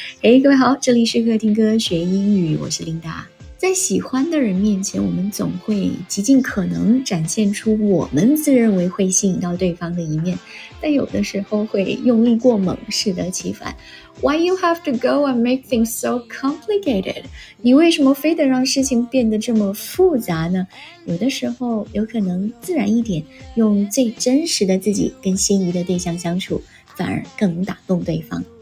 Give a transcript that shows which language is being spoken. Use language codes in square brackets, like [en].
[zh] 哎，各位好，这里是客厅歌学英语，我是琳达。在喜欢的人面前，我们总会极尽可能展现出我们自认为会吸引到对方的一面，但有的时候会用力过猛，适得其反。 [en] Why you have to go and make things so complicated? [zh] 你为什么非得让事情变得这么复杂呢？有的时候有可能自然一点，用最真实的自己跟心仪的对象相处，反而更打动对方。